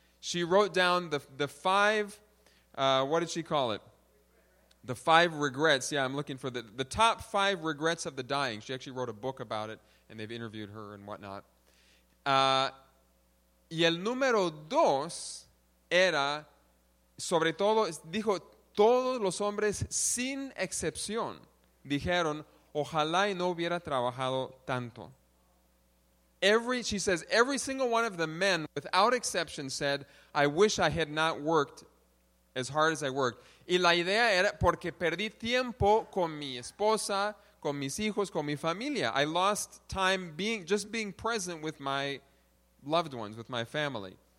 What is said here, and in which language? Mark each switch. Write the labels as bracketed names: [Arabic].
[English] She wrote down the five, what did she call it? The five regrets. Yeah, I'm looking for the top five regrets of the dying. She actually wrote a book about it, and they've interviewed her and whatnot. [Spanish] Y el número dos era, sobre todo, dijo, todos los hombres sin excepción dijeron, ojalá y no hubiera trabajado tanto. [English] every single one of the men, without exception, said, I wish I had not worked as hard as I worked. [Spanish] Y la idea era porque perdí tiempo con mi esposa, con mis hijos, con mi familia. [English] I lost time being present with my loved ones, with my family.